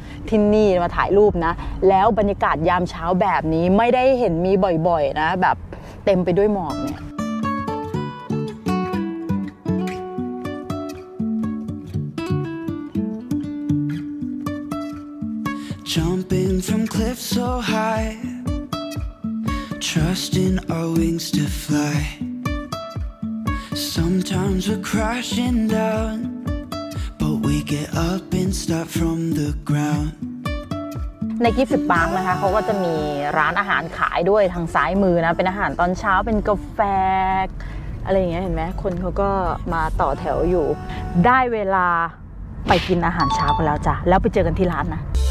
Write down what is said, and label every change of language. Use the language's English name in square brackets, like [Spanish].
[Thai] ที่นี่มาถ่ายรูปนะแล้วบรรยากาศยามเช้าแบบนี้ไม่ได้เห็นมีบ่อยๆนะแบบเต็มไปด้วยหมอกเนี่ย [English] Jumping from cliffs so highTrusting our wings to fly. Sometimes we're crashing down, but we get up and start from the ground. [Thai] ในกิฟฟิทพาร์คนะคะเขาก็จะมีร้านอาหารขายด้วยทางซ้ายมือนะเป็นอาหารตอนเช้าเป็นกาแฟอะไรอย่างเงี้ยเห็นไหมคนเขาก็มาต่อแถวอยู่ได้เวลาไปกินอาหารเช้ากันแล้วจ้ะแล้วไปเจอกันที่ร้านนะ